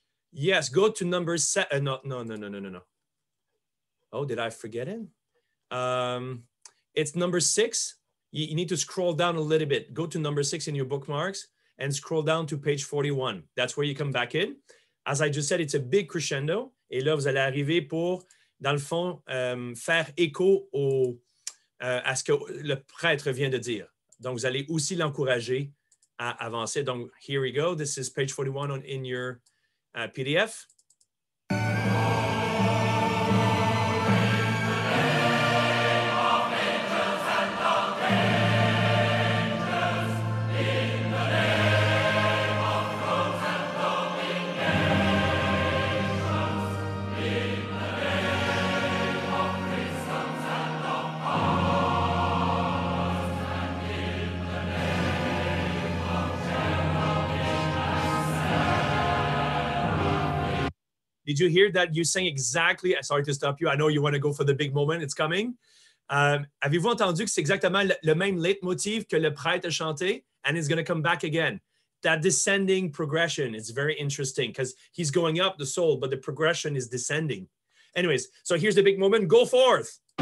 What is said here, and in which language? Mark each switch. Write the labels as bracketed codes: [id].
[en] Yes, go to number seven. No. Oh, did I forget it? It's number six. You need to scroll down a little bit. Go to number six in your bookmarks and scroll down to page 41. That's where you come back in. As I just said, it's a big crescendo. [fr] Et là, vous allez arriver pour, dans le fond, faire écho au, à ce que le prêtre vient de dire. Donc, vous allez aussi l'encourager à avancer. Donc, [en] here we go. This is page 41 on, in your PDF. Did you hear that you sang exactly, sorry to stop you, I know you want to go for the big moment, it's coming. [fr] Avez-vous entendu que c'est exactement le même leitmotiv que le prêtre a chanté? [en] And it's going to come back again. That descending progression is very interesting because he's going up the soul, but the progression is descending. Anyways, so here's the big moment, go forth!